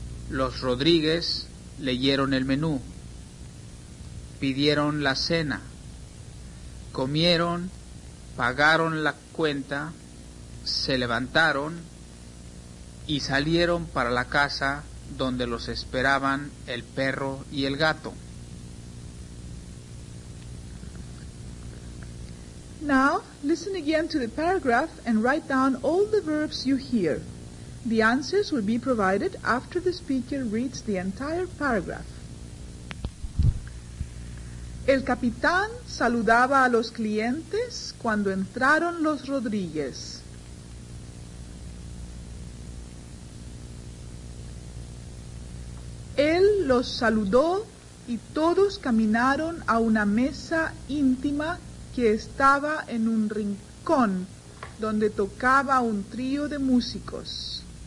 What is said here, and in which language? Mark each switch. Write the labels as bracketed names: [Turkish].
[Spanish] Los Rodríguez leyeron el menú, pidieron la cena, comieron, pagaron la cuenta, se levantaron y salieron para la casa donde los esperaban el perro y el gato. [English] Now, listen again to the paragraph and write down all the verbs you hear. The answers will be provided after the speaker reads the entire paragraph. [Spanish] El capitán saludaba a los clientes cuando entraron los Rodríguez. Él los saludó y todos caminaron a una mesa íntima que estaba en un rincón donde tocaba un trío de músicos.